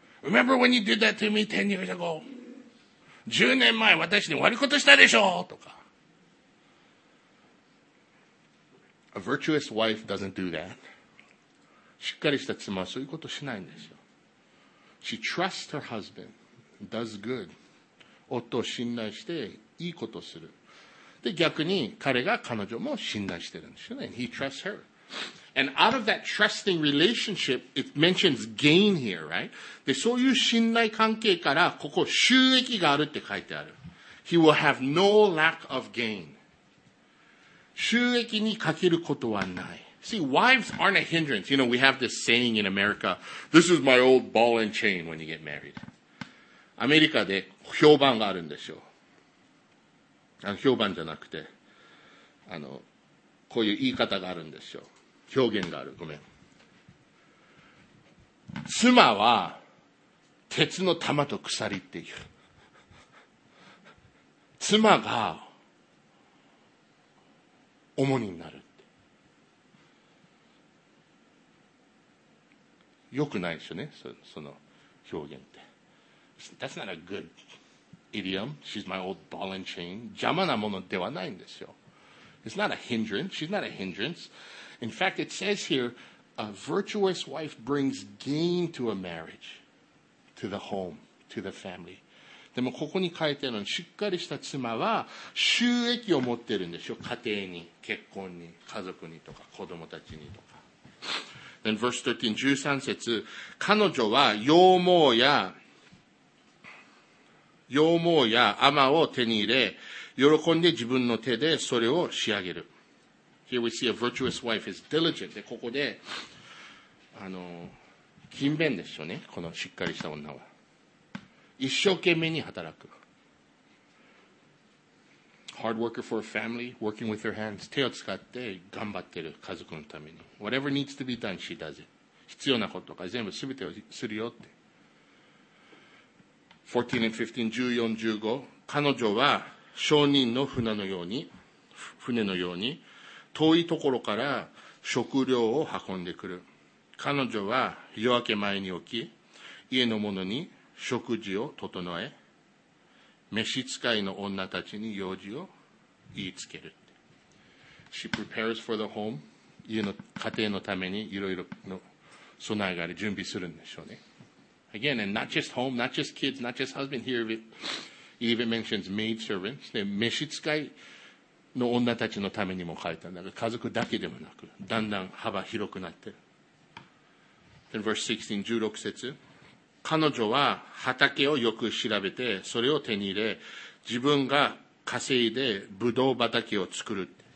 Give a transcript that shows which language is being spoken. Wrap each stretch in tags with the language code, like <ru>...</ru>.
<en>Remember when you did that to me 10 years ago?</en> <ja>10年前私に悪いことしたでしょとか。</ja> <en>A virtuous wife doesn't do that.</en> <ja>しっかりした妻はそういうことしないんですよ。</ja> <en>She trusts her husband, does good.</en> <ja>夫を信頼していいことをする。で、逆に彼が彼女も信頼してるんですよね。</ja> <en>He trusts her. And out of that trusting relationship, it mentions gain here, right?</en> <ja>で、そういう信頼関係からここ収益があるって書いてある。</ja> <en>He will have no lack of gain.</en> <ja>収益に欠けることはない。</ja> <en>See, wives aren't a hindrance. You know, we have this saying in America, this is my old ball and chain when you get married.</en> <ja>アメリカで評判があるんでしょう。評判じゃなくて、こういう言い方があるんでしょう。表現がある。ごめん。妻は鉄の玉と鎖っていう。妻が重荷になる。良くないですよね、その表現って。</ja> <en>That's not a good idiom. She's my old ball and chain.</en> <ja>邪魔なものではないんですよ。</ja> <en>It's not a hindrance. She's not a hindrance. In fact, it says here, a virtuous wife brings gain to a marriage, to the home, to the family.</en> <ja>でもここに書いてあるのに、しっかりした妻は収益を持ってるんですよ。家庭に、結婚に、家族にとか、子供たちにとか。</ja> <en>Then verse 13,</en> <ja>13節、彼女は羊毛や甘を手に入れ、喜んで自分の手でそれを仕上げる。</ja> <en>Here we see a virtuous wife is diligent.</en> <ja>ここで、勤勉ですよね、このしっかりした女は。一生懸命に働く。</ja> <en>Hard worker for a family, working with her hands.</en> <ja>手を使って頑張ってる家族のために。</ja> <en>Whatever needs to be done, she does it.</en> <ja>必要なことが全部すべてをするよって。</ja> <en>14 and 15, 14, 15.</en> <ja>彼女は商人の船のように、遠いところから食料を運んでくる。彼女は夜明け前に起き、家の者に食事を整え、召使いの女たちに用事を言いつける。</ja> <en>She prepares for the home.</en> <ja>家の家庭のためにいろいろの備えがあり準備するんでしょうね。</ja> <en>Again, and not just home, not just kids, not just husband. Here even mentions maid servants.</en> <ja>で、召使いの女たちのためにも書いたんだが、家族だけでもなく、だんだん幅広くなってる。</ja> <en>Then verse 16,</en> <ja>16節。彼女は畑をよく調べて、それを手に入れ、自分が稼いでブドウ畑を作る。</ja>